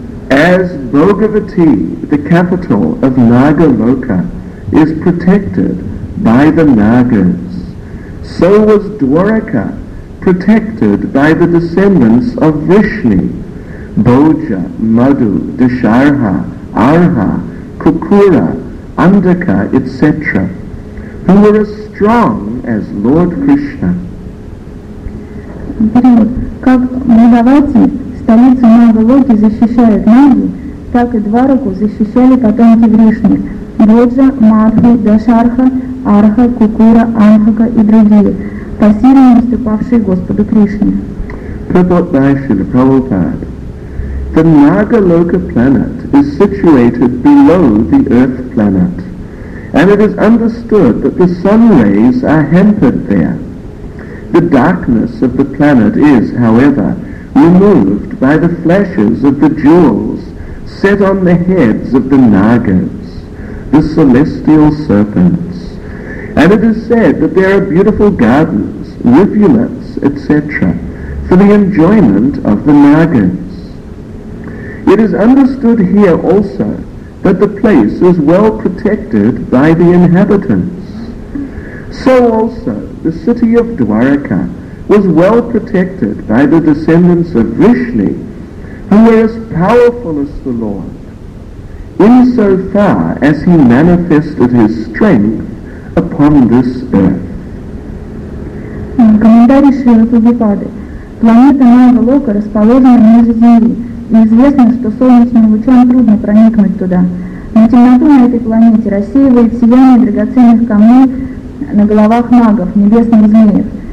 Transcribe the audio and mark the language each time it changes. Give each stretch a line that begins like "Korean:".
English: As Bhogavati, the capital of Nagaloka, is protected by the Nagas, so was Dwarka protected by the descendants of Vishnu, Bhoja, Madhu, Disharha, Arha, Kukura, Andaka, etc., who were as strong as Lord Krishna.
Russian: Как Мадхавати, столица Нагалоки, защищает Нагу, так и Двараку защищали потомки Вришни, Бходжа, Мадху, Дашарха, Арха, Кукура, Анхака и другие, по силе уступавшие Господу Кришне.
English: Прабхупад, the Nagaloka planet is situated below the earth planet, and it is understood that the sun rays are hampered there. The darkness of the planet is, however, removed by the flashes of the jewels set on the heads of the Nagas, the celestial serpents. And it is said that there are beautiful gardens, rivulets, etc., for the enjoyment of the Nagas. It is understood here also that the place is well protected by the inhabitants. So also, the city of Dwarka was well protected by the descendants of Vishnu, who were as powerful as the Lord, insofar as he manifested his strength upon this earth.
Russian: Комментарий Шрилы Прабхупады. Планета Нагалока расположена ниже Земли, и известно, что солнечным лучам трудно проникнуть туда. Но темноту на этой планете рассеивает сияние драгоценных камней на головах нагов, небесных змеев.